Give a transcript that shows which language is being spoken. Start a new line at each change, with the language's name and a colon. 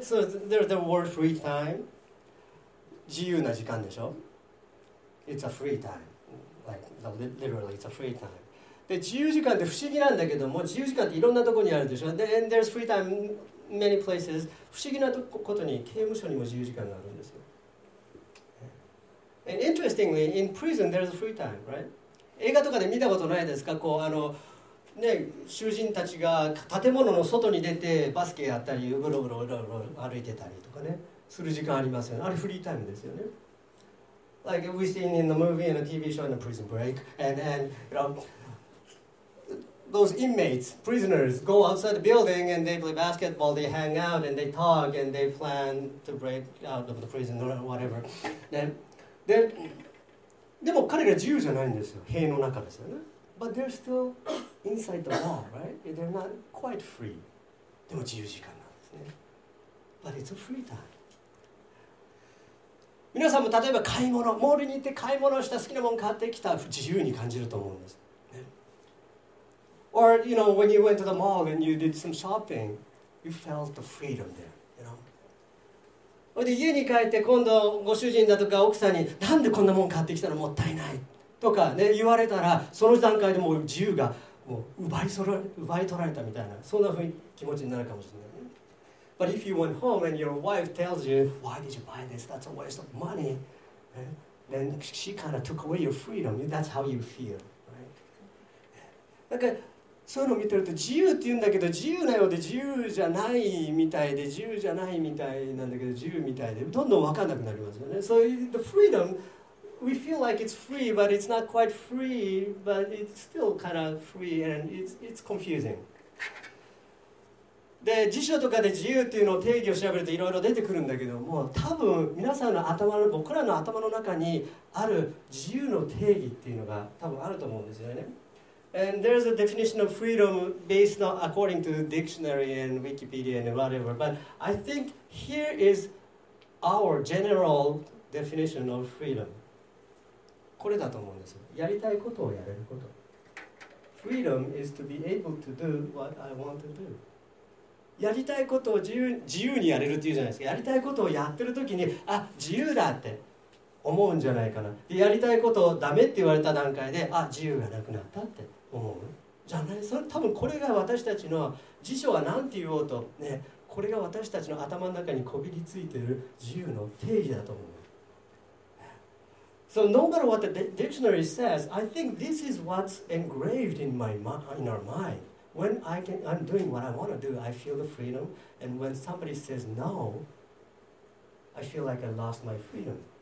English: So there's the word free time.
Japanese: 自由な時間でしょ。
English: It's a free time. Literally, it's a free time.
Japanese: で、自由時間って不思議なんだけども、自由時間っていろんなとこにあるでしょ。
English: And there's free time in many places.
Japanese: 不思議なことに刑務所にも自由時間があるんですよ。
English: And interestingly, in prison, there's free time, right?
Japanese: 映画とかで見たことないですか？こう、ね、囚人たちが建物の外に出てバスケやったり、ぐろぐろぐろぐろ歩いてたりとかね、する時間ありますよね。あれフリータイムですよね。
English: Like we've seen in the movie and the TV show in the prison break. And you know, those inmates, prisoners, go outside the building and they play basketball, they hang out and they talk and they plan to break out of the prison or whatever.
Japanese: でも彼ら自由じゃないんですよ。塀の中ですよね。
English: But they're still inside the wall, right? They're not quite free.
Japanese: でも自由時間なんですね。
English: But it's a free time.
Japanese: 皆さんも例えば買い物、モールに行って買い物した、好きなもの買ってきた、自由に感じると思うんです。
English: Or, you know, when you went to the mall and you did some shopping, you felt the freedom there, you know?
Japanese: で、家に帰って今度ご主人だとか奥さんに、なんでこんなもの買ってきたのもったいないとかね、言われたら、その段階でもう自由がもう奪い取られたみたいな、そんな風に気持ちになるかもしれない。
English: But if you went home and your wife tells you, why did you buy this? That's a waste of money. Then she kind of took away your freedom. That's how you feel.
Japanese: なんかそういうのを見てると自由って言うんだけど、自由なようで自由じゃないみたいで、自由じゃないみたいなんだけど、自由みたいで、どんどん分かんなくなりますよね。
English: So the freedom, we feel like it's free, but it's not quite free, but it's still kind of free and it's confusing.
Japanese: で、辞書とかで自由っていうのを定義を調べるといろいろ出てくるんだけども、多分皆さんの頭の、僕らの頭の中にある自由の定義っていうのが多分あると思うんですよね。
English: And there's a definition of freedom based on according to dictionary and Wikipedia and whatever, but I think here is our general definition of freedom.
Japanese: これだと思うんですよ。やりたいことをやれること。
English: Freedom is to be able to do what I want to do.
Japanese: やりたいことを自由にやれるっていうじゃないですか。やりたいことをやってる時に、あ、自由だって思うんじゃないかな。で、やりたいことをダメって言われた段階で、あ、自由がなくなったって思うじゃない。それ多分これが私たちの、辞書は何て言おうとね、これが私たちの頭の中にこびりついている自由の定義だと思う。
English: So no matter what the dictionary says, I think this is what's engraved in our mindWhen I'm doing what I want to do, I feel the freedom. And when somebody says no, I feel like I lost my freedom.